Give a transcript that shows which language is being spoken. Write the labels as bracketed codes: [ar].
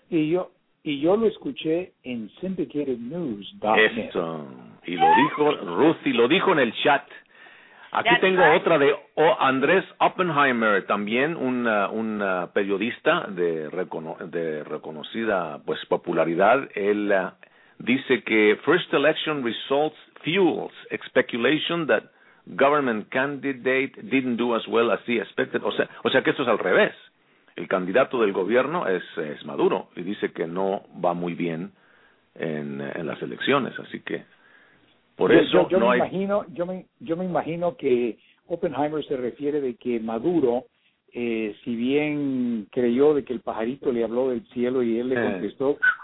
[es] Y yo lo escuché en syndicatednews.net. Esto. Y lo dijo Ruthie, lo dijo en el chat. Aquí [en] That's [es] tengo [en] right. [es] otra de Andrés Oppenheimer, también un periodista de reconocida pues popularidad. Él dice que [en] first election results fuels speculation that government candidate didn't do as well as he expected. [es] O sea que esto es al revés. El candidato del gobierno es Maduro y dice que no va muy bien en las elecciones. Así que por eso yo me imagino que Oppenheimer se refiere de que Maduro, si bien creyó de que el pajarito le habló del cielo y él le contestó.